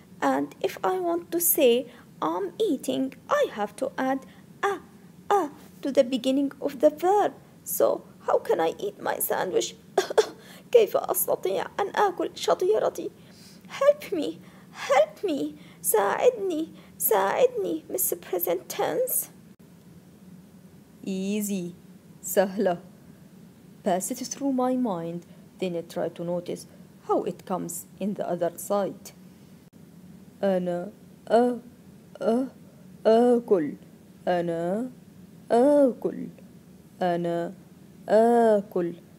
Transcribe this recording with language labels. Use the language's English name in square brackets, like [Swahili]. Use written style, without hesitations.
[English] And if I want to say I'm eating, I have to add a to the beginning of the verb. So how can I eat my sandwich? [Arabic] كيف أستطيع أن آكل شطيرتي؟ [English] Help me, help me. [Arabic] ساعدني, ساعدني, [English] Miss Present Tense. Easy, [Arabic] سهلة. [English] Pass it through my mind, then I try to notice how it comes in the other side. [Arabic] أنا آكل. أنا آكل. أنا آكل.